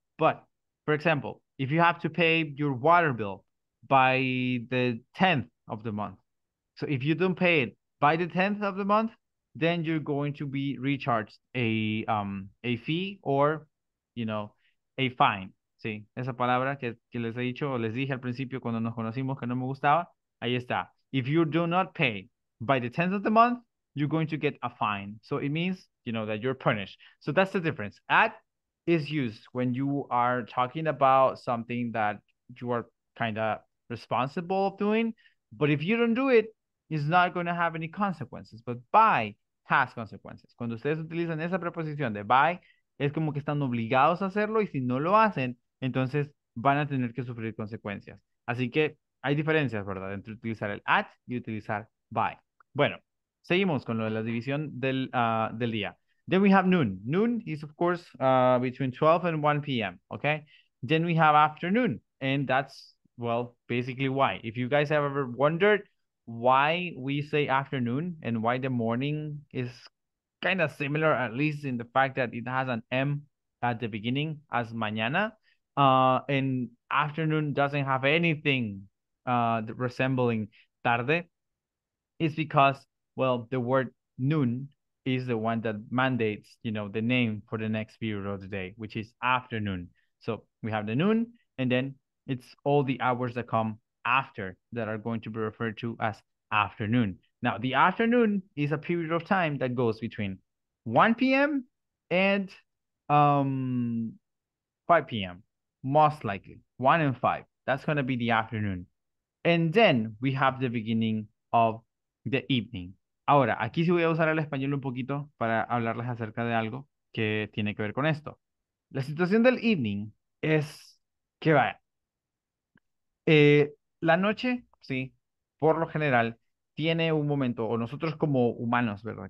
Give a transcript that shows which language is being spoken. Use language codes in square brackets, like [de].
[en] But for example, if you have to pay your water bill by the 10th of the month, so if you don't pay it by the 10th of the month, then you're going to be recharged a fee or, you know, a fine. [es] Sí, esa palabra que les he dicho, o les dije al principio cuando nos conocimos que no me gustaba, ahí está. [en] If you do not pay by the 10th of the month, you're going to get a fine. So it means, you know, that you're punished. So that's the difference. At is used when you are talking about something that you are kind of responsible of doing. But if you don't do it, it's not going to have any consequences. But by has consequences. [es] Cuando ustedes utilizan esa preposición de by, es como que están obligados a hacerlo. Y si no lo hacen, entonces van a tener que sufrir consecuencias. Así que hay diferencias, ¿verdad? Entre utilizar el at y utilizar by. Bueno, seguimos con lo de la división del del día. [en] Then we have noon. Noon is, of course, between 12 and 1 p.m., okay? Then we have afternoon, and that's, well, basically why. If you guys have ever wondered why we say afternoon and why the morning is kind of similar, at least in the fact that it has an M at the beginning as mañana, and afternoon doesn't have anything resembling tarde, is because, well, the word noon is the one that mandates, you know, the name for the next period of the day, which is afternoon. So we have the noon, and then it's all the hours that come after that are going to be referred to as afternoon. Now, the afternoon is a period of time that goes between 1 p.m. and 5 p.m., most likely, 1 and 5. That's going to be the afternoon. And then we have the beginning of the evening. [es] Ahora, aquí sí voy a usar el español un poquito para hablarles acerca de algo que tiene que ver con esto. La situación del evening es que vaya. La noche, sí, por lo general, tiene un momento, o nosotros como humanos, ¿verdad?